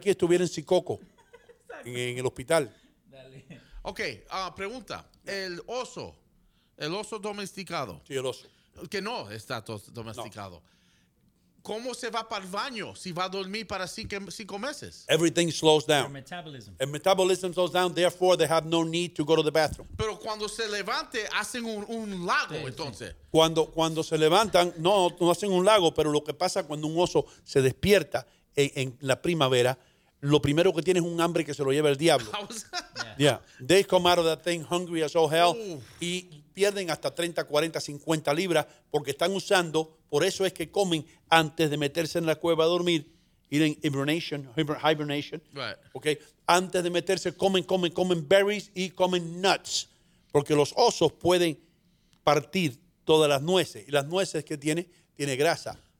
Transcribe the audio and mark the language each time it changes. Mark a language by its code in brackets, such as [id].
[es] Aquí, estuviera en Sicoco, en el hospital. Dale. Ok, pregunta. El oso domesticado. Sí, el oso. Que no está domesticado. No. ¿Cómo se va para el baño si va a dormir para 5 meses? [en] Everything slows down. Their metabolism. And metabolism slows down, therefore they have no need to go to the bathroom. [es] Pero cuando se levante, hacen un lago, sí, entonces. Sí. Cuando se levantan, no hacen un lago, pero lo que pasa cuando un oso se despierta en la primavera, lo primero que tiene es un hambre que se lo lleva el diablo. [en] Yeah. They come out of that thing hungry as all hell. [es] Y pierden hasta 30, 40, 50 libras porque están usando, por eso es que comen antes de meterse en la cueva a dormir, ir en hibernation. [en] Right. [es] Okay. Antes de meterse, comen berries y comen nuts. Porque los osos pueden partir todas las nueces. Y las nueces que tiene grasa.